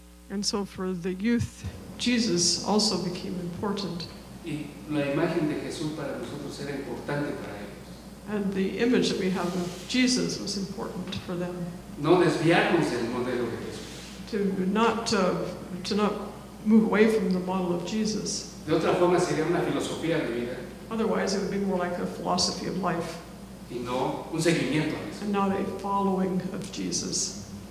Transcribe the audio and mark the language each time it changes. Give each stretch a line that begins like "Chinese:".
English: And so for the youth, Jesus also became important.
Spanish: Y la imagen de Jesús para nosotros era importante para ellos.
English: And the image that we have of Jesus was important for them.
Spanish: No desviarnos del modelo de Jesús.
English: To not move away from the model of Jesus.
Spanish: De otra forma sería una filosofía de vida.
English: Otherwise it would be more like a philosophy of life.
Spanish: Y no un seguimiento a Jesús.
English: And not a following of Jesus.